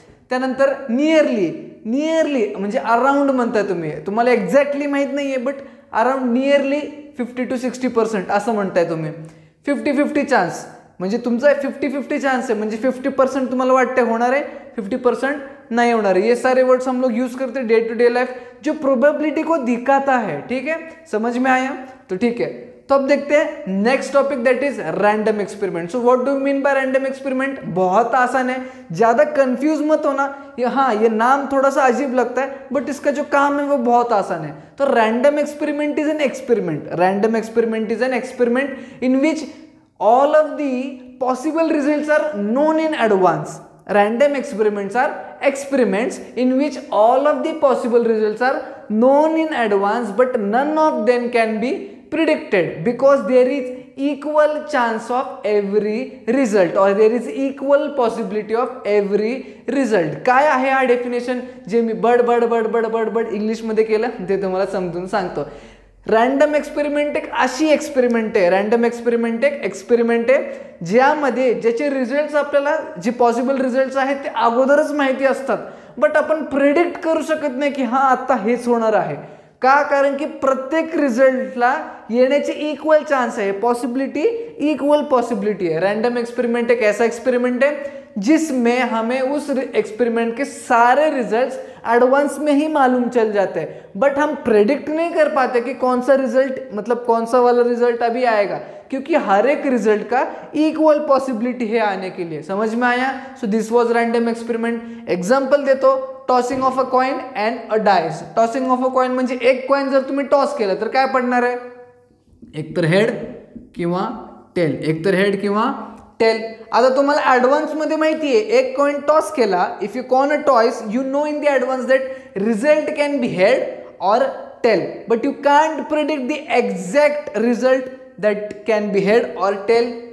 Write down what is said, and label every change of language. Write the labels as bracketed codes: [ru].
[mr] त्यानंतर nearly, nearly म्हणजे around म्हणताय तुम्ही, तुम्हाला एक्झॅक्टली माहीत नाही आहे बट अराउंड नियरली 50-60% असं म्हणताय तुम्ही. 50-50 चान्स म्हणजे तुमचा 50-50 चान्स आहे, म्हणजे 50% तुम्हाला वाटतंय होणार आहे, 50% नाही होणार आहे. [hi] हे सारे वर्ड्स हम लोग यूज करते डे टू डे लाईफ जो प्रोबेबिलिटी को दिखाता है, [mr] ठीक आहे. [hi] समज में आया तो [mr] ठीक आहे. [hi] तो अब देखते हैं next topic, [en] That is random experiment. [hi] So what do you mean by random experiment. बहुत आसान है, ज्यादा कंफ्यूज मत होना. हाँ, ये नाम थोड़ा सा अजीब लगता है बट इसका जो काम है वो बहुत आसान है. [en] तो random experiment is an experiment. Random experiment is an experiment in which all of the possible result are known in advance. Random experiments are experiments in which all of the possible result are known in advance but none of them can be predicted because there is equal chance of every result or there is equal possibility of every result. [mr] काय आहे हा definition जे मी बड इंग्लिशमध्ये केलं ते तुम्हाला समजून सांगतो. रँडम एक्सपेरिमेंट एक अशी एक्सपेरिमेंट आहे, रँडम एक्सपेरिमेंट एक एक्सपेरिमेंट आहे ज्यामध्ये ज्याचे रिझल्ट आपल्याला, जे पॉसिबल रिझल्ट आहेत ते अगोदरच माहिती असतात बट आपण प्रिडिक्ट करू शकत नाही की हां आत्ता हेच होणार आहे. का, कारण की प्रत्येक रिझल्टला येण्याचे इक्वल चान्स आहे, पॉसिबिलिटी इक्वल पॉसिबिलिटी आहे. [hi] रँडम एक्सपेरिमेंट एक ऐसा एक्सपेरिमेंट आहे जिसमें हमें उस एक्सपेरिमेंट के सारे रिजल्ट्स एडवांस में ही मालूम चल जाते हैं बट हम प्रेडिक्ट नहीं कर पाते कि कौन सा रिजल्ट, मतलब कौन सा वाला रिजल्ट अभी आएगा, क्योंकि हर एक रिजल्ट का इक्वल पॉसिबिलिटी है आने के लिए. समझ में आया. [en] So this was random experiment. Example देते, tossing of a coin and a dice. [mr] Tossing of a coin म्हणजे एक कॉइन जर तुम्ही टॉस केलं तर काय पडणार आहे, एकतर हेड किंवा टेल, एकतर हेड किंवा टेल. आता तुम्हाला ऍडव्हान्स मध्ये माहिती आहे एक कॉइन टॉस केला, [en] If you coin a toss you know in the advance that result can be head or tail but you can't predict the exact result that can be head or tail.